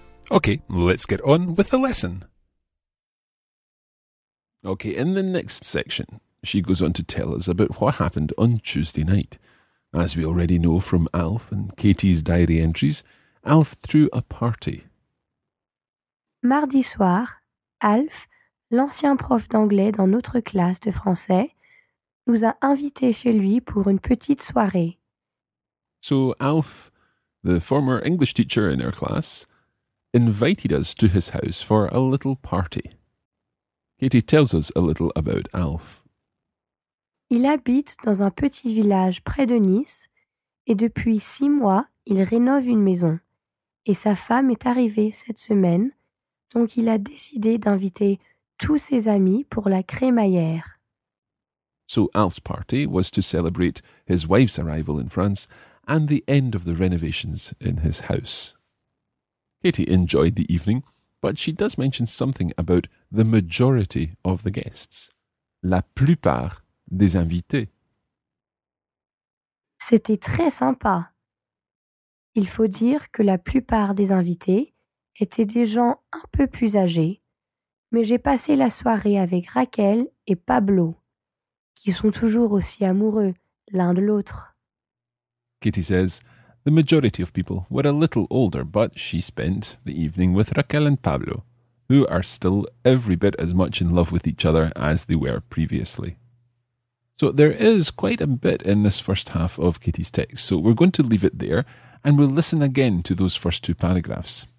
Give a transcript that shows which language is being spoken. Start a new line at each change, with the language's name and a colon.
English: Okay, let's get on with the lesson. Okay, in the next section, she goes on to tell us about what happened on Tuesday night. As we already know from Alf and Katie's diary entries, Alf threw a party.
French: Mardi soir, Alf, l'ancien prof d'anglais dans notre classe de français, nous a invités chez lui pour une petite soirée.
English: So Alf, the former English teacher in our class, invited us to his house for a little party. Katie tells us a little about Alf.
French: Il habite dans un petit village près de Nice et depuis 6 mois, il rénove une maison. Et sa femme est arrivée cette semaine, donc il a décidé d'inviter tous ses amis pour la crémaillère.
English: So Alf's party was to celebrate his wife's arrival in France and the end of the renovations in his house. Katie enjoyed the evening, but she does mention something about the majority of the guests.
French: La plupart des invités. C'était très sympa. Il faut dire que la plupart des invités étaient des gens un peu plus âgés, mais j'ai passé la soirée avec Raquel et Pablo, qui sont toujours aussi amoureux l'un de l'autre.
English: Katie says, the majority of people were a little older, but she spent the evening with Raquel and Pablo, who are still every bit as much in love with each other as they were previously. So there is quite a bit in this first half of Katie's text, so we're going to leave it there, and we'll listen again to those first two paragraphs.